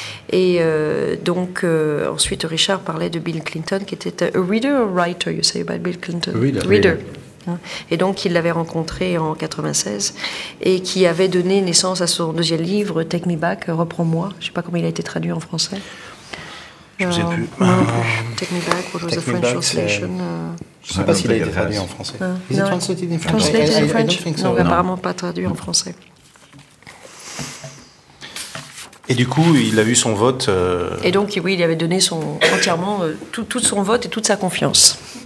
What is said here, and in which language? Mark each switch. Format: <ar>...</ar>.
<fr>Et ensuite Richard parlait de Bill Clinton, qui était un</fr> <en>reader or writer, you say about Bill Clinton? Reader.</en> <fr>Et donc il l'avait rencontré en 96 et qui avait donné naissance à son deuxième livre, Take Me Back, Reprends-moi. Je ne sais pas comment il a été traduit en français. Je ne sais plus.</fr> <en>Take Me Back, what was the French translation?</en> <fr>Je ne sais pas s'il a été traduit en français.</fr> <en>Is it translated in French? Translated in French?</en> <fr>Non, apparemment pas traduit en français. Et du coup, il a eu son vote. Et donc, oui, il avait donné entièrement tout son vote et toute sa confiance.</fr>